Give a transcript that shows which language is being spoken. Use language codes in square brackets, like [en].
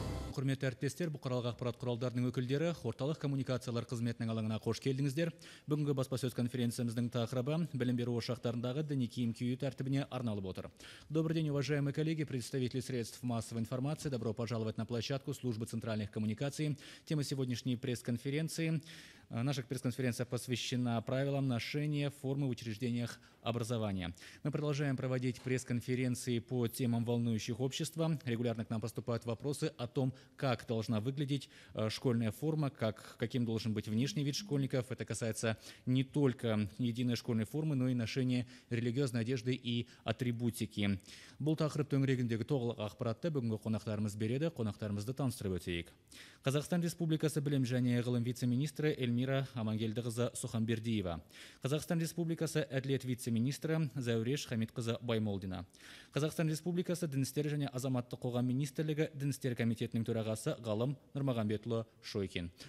[kk] құрметті әртестер, бұқаралық ақпарат құралдарының өкілдері, орталық коммуникациялар қызметінің алаңына қош келдіңіздер. Бүгінгі баспасөз конференциямыздың тақырыбы білім беру ошақтарындағы діни киім кию тәртібіне арналып отыр. [ru] Добрый день, уважаемые коллеги, представители средств массовой информации. Добро пожаловать на площадку службы центральных коммуникаций. Тема сегодняшней пресс-конференции. Наша пресс-конференция посвящена правилам ношения формы в учреждениях образования. Мы продолжаем проводить пресс-конференции по темам волнующих общества. Регулярно к нам поступают вопросы о том, как должна выглядеть школьная форма, каким должен быть внешний вид школьников. Это касается не только единой школьной формы, но и ношения религиозной одежды и атрибутики. [kk] Бұл тақырып төңірегіндегі толық ақпаратты бүгінгі қонақтарымыз береді, қонақтарымызды таныстырып өтейік. Қазақстан Республикасы білім және ғылым вице-министрі Эльмира Амангелдіқызы Сухамбердиева. Қазақстан Республикасы әділет вице-министрі Зәуреш Хамитқызы Баймолдина. Қазақстан Республикасы дін істері және азаматтық қоғам министрлігі дін істері комитетінің төрағасы ғалым Нұрмағамбетұлы Шойкин.